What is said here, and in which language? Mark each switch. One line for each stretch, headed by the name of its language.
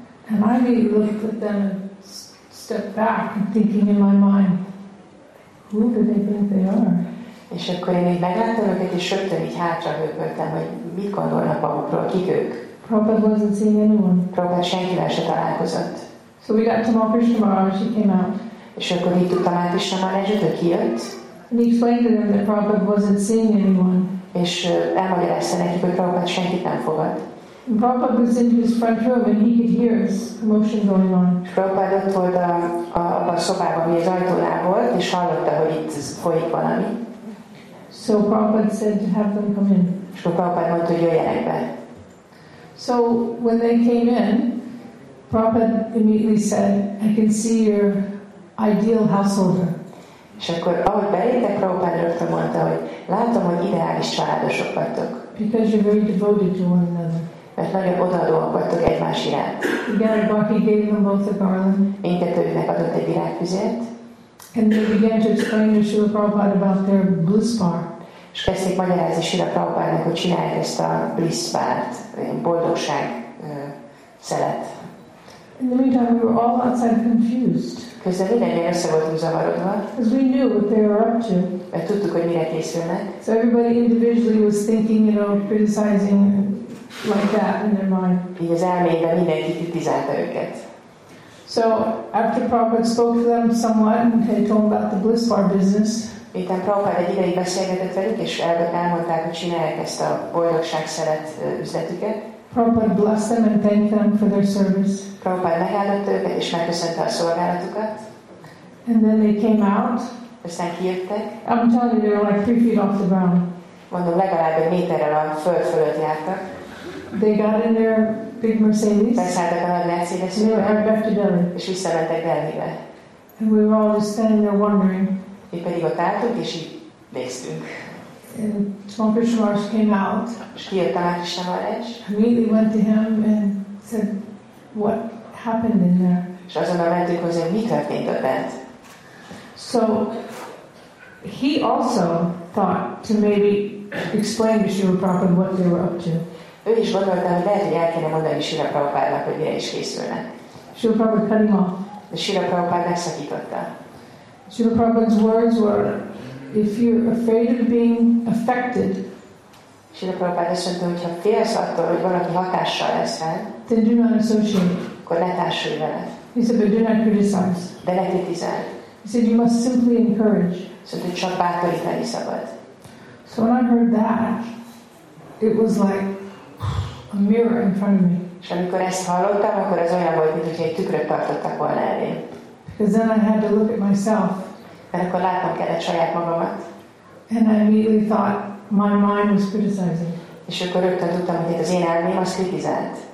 English: And I really looked at them and stepped back and thinking in my mind, who do they think they are?
Hungarian: És akkor én megláttam őket, és rögtön így hátra hőköltem, hogy mit gondolnak magukról, kik ők.
English: Prabhupada wasn't seeing anyone.
Hungarian: Prabhupada senkivel se találkozott.
English: So we got to Mahakrishnamara and she came out.
Hungarian: És akkor hittük Mahakrishnamara, és ő kijött.
English: And he explained to them that Prabhupada wasn't seeing anyone.
Hungarian: És elmagyarázta nekik, hogy Prabhupada senkit nem fogad.
English: Prabhupada was in his front room and he could hear his commotion going on.
Hungarian: És Prabhupada ott volt a szobában, ami az ajtónál volt, és hallotta, hogy itt folyik valami.
English: So Prabhupada said to have them come in.
Hungarian: És akkor Prabhupád mondta, hogy jöjjenek be.
English: So when they came in, Prabhupada immediately said, I can see your ideal householder.
Hungarian: És akkor ahogy beléptek, Prabhupád rögtön mondta, hogy látom, hogy ideális családosok vagytok.
English: Because you're very devoted to one another.
Hungarian: Mert nagyon odaadóak vagytok egymás iránt.
English: Again, Bhakti gave them both a garland.
Hungarian: Mindkettőjüknek adott egy virágfüzet.
English: And they began to explain to Srila Prabhupada about their bliss part.
Hungarian: És kezdték magyarázni Srila Prabhupádnak, hogy csinálják ezt a bliss part, boldogság szelet.
English: In the meantime, we were all outside confused.
Hungarian: Közben mindenki össze voltunk zavarodva.
English: Because we knew what they were up to.
Hungarian: Mert tudtuk, hogy mire készülnek.
English: So everybody individually was thinking, you know, criticizing like that in their mind.
Hungarian: Így az elmében mindenki kritizálta őket.
English: So after Prabhupada spoke to them somewhat and told them about the bliss bar business,
Hungarian: miután Prabhupada egy ideig beszélgetett velük és elmondták, hogy csinálják ezt a boldogság szeret üzletüket,
English: Prabhupada blessed them and thanked them for their service.
Hungarian: Prabhupada megáldott őket és megköszönte a szolgálatukat.
English: And then they came out.
Hungarian: Aztán kijöttek.
English: I'm telling you, they were like 3 feet off the ground.
Hungarian: Mondom, legalább egy méterrel a föld fölött jártak.
English: They got in their big Mercedes.
Hungarian: Beszálltak a nagy Mercedesükbe. És visszamentek Delhibe.
English: And we were all just standing there wondering.
Hungarian: Mi pedig ott álltunk, és így néztünk.
English: And Swami Krishna Maharaj came out.
Hungarian: És kijött a Swami Krishna Maharaj.
English: Immediately went to him and said, what happened in there?
Hungarian: És azonnal mentünk hozzá, hogy mi történt ott bent.
English: So he also thought to maybe explain to Srila Prabhupada what they were up to.
Hungarian: Ő is gondolta, hogy lehet, hogy el kéne mondani Srila Prabhupádnak, hogy mire is készülnek.
English: Srila Prabhupád cut him off.
Hungarian: De Srila Prabhupád megszakította.
English: Srila Prabhupád's words were, if you're afraid of being affected,
Hungarian: Srila Prabhupád azt mondta, hogy ha félsz attól, hogy valaki hatással lesz rá,
English: then do not associate.
Hungarian: Akkor ne társulj vele.
English: He said, but do not criticize.
Hungarian: De ne kritizálj.
English: He said, you must simply encourage.
Hungarian: Szóval csak bátorítani szabad.
English: So when I heard that, it was like a mirror in front of me.
Hungarian: És amikor ezt hallottam, akkor ez olyan volt, mint hogy egy tükröt tartottak volna elém.
English: Because then I had to look at myself.
Hungarian: Mert akkor látnom kellett saját magamat.
English: And I immediately thought my mind was criticizing.
Hungarian: És akkor rögtön tudtam, hogy az én elmém azt kritizált.